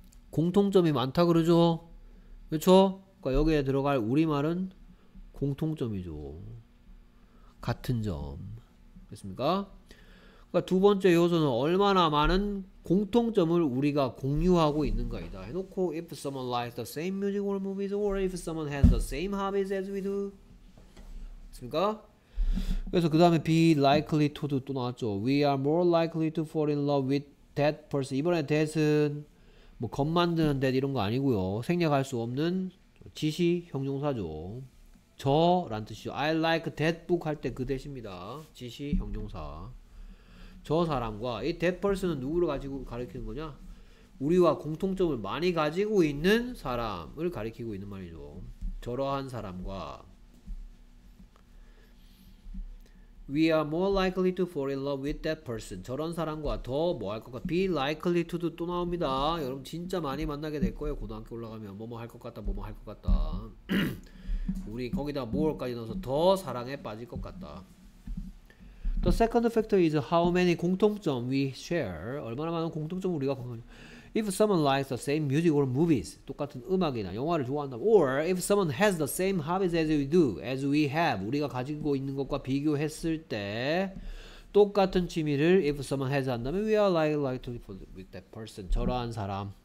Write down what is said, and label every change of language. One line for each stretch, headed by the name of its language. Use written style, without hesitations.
Korean: 공통점이 많다 그러죠? 그렇죠? 그러니까 여기에 들어갈 우리말은 공통점이죠. 같은 점. 그렇습니까? 그러니까 두 번째 요소는 얼마나 많은 공통점을 우리가 공유하고 있는가이다.
English: 해놓고 if someone likes the same music or movies or if someone has the same hobbies as we do.
Korean: 됐습니까? 그래서 그 다음에 be likely to도 또 나왔죠.
English: We are more likely to fall in love with that person.
Korean: 이번에 that은 뭐겁 만드는 that 이런 거 아니고요. 생략할 수 없는 지시 형용사죠. 저란 뜻이죠.
English: I like that book
Korean: 할때그 that입니다. 지시 형용사. 저 사람과 이 that person은 누구를 가지고 가리키는 거냐? 우리와 공통점을 많이 가지고 있는 사람을 가리키고 있는 말이죠. 저러한 사람과
English: We are more likely to fall in love with that person.
Korean: 저런 사람과 더 뭐 할 것 같아? Be likely to도 또 나옵니다. 여러분 진짜 많이 만나게 될 거예요. 고등학교 올라가면 뭐뭐 할 것 같다, 뭐뭐 할 것 같다. 우리 거기다 more까지 넣어서 더 사랑에 빠질 것 같다.
English: The second factor is how many 공통점 we share.
Korean: 얼마나 많은 공통점 우리가 공유.
English: If someone likes the same music or movies,
Korean: 똑같은 음악이나 영화를 좋아한다.
English: Or if someone has the same hobbies as we do, as we have,
Korean: 우리가 가지고 있는 것과 비교했을 때 똑같은 취미를
English: if someone has 한다면 we are like to live with that person.
Korean: 저러한 사람.